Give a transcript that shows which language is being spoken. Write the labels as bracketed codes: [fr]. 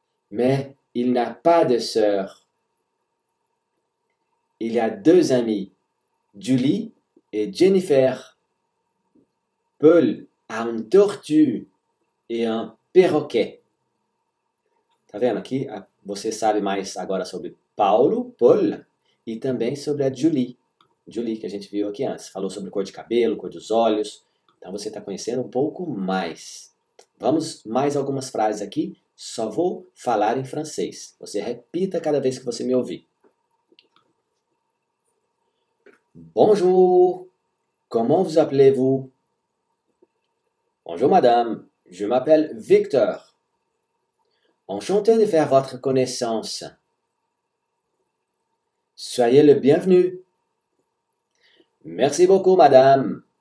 [fr] Mais il n'a pas de sœur. Il a 2 amis, Julie et Jennifer. Paul a une tortue et un perroquet. [pt] Tá vendo aqui? Você sabe mais agora sobre Paulo, Paul e também sobre a Julie. Julie, que a gente viu aqui antes. Falou sobre cor de cabelo, cor dos olhos. Então você está conhecendo um pouco mais. Vamos mais algumas frases aqui. Só vou falar em francês. Você repita cada vez que você me ouvir. [fr] Bonjour. Comment vous appelez-vous? Bonjour, madame. Je m'appelle Victor. Enchanté de faire votre connaissance. Soyez le bienvenu. Merci beaucoup, madame.